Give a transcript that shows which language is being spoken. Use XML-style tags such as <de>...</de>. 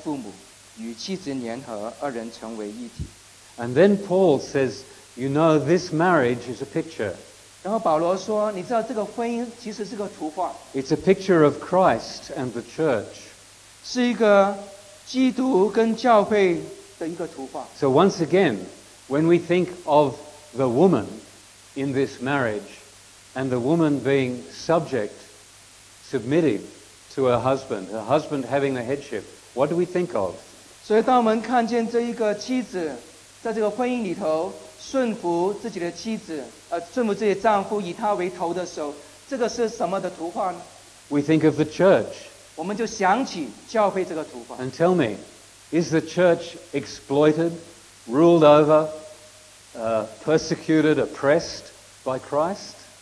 <zh>为这个缘故，人要离开父母，与妻子联合，二人成为一体。</zh> <en>And then Paul says, you know, this marriage is a picture.</en> <zh>然后保罗说，你知道这个婚姻其实是个图画。</zh> <en>It's a picture of Christ and the church.</en> <zh>是一个基督跟教会的一个图画。</zh> <en>So once again, when we think of the woman in this marriage and the woman being subject, submitted to her husband having the headship, what do we think of?</en> <zh>所以当我们看见这一个妻子在这个婚姻里头顺服自己的妻子，顺服自己的丈夫以他为头的时候，这个是什么的图画呢？</zh> <en>We think of the church.</en> <zh>我们就想起教会这个图画。</zh> <en>And tell me, is the church exploited, ruled over, persecuted, oppressed by Christ?</en>